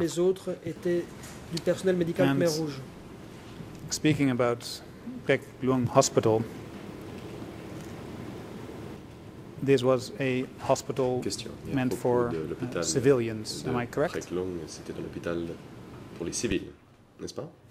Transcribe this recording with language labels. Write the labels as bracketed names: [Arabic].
[French] Les autres étaient du personnel médical Khmer Rouge. [English] Speaking about Breck Luang Hospital, this was a hospital meant for civilians, am I correct? [French] Breck Luang, c'était un hôpital pour les civils, n'est-ce pas?